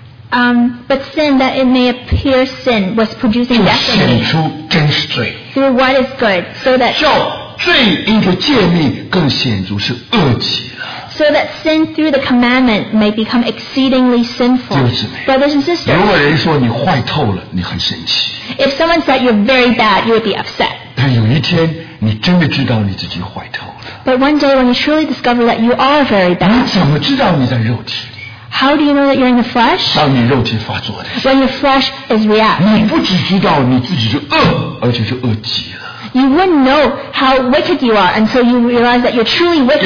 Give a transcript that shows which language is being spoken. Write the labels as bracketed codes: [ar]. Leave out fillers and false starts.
[en] But sin, that it may appear sin, was producing destiny. Through what is good, so that [zh] 叫罪因着诫命更显著是恶极了。 [en] So that sin through the commandment may become exceedingly sinful. [zh] 就是没, [en] Brothers and sisters, [zh] 如果人说你坏透了，你很生气。 [en] If someone said you're very bad, you would be upset. [zh] 但有一天，你真的知道你自己坏透了。 [en] But one day when you truly discover that you are very bad, [zh] 你怎么知道你在肉体？ [en] How do you know that you're in the flesh? When your flesh is react. You wouldn't know how wicked you are until you realize that you're truly wicked.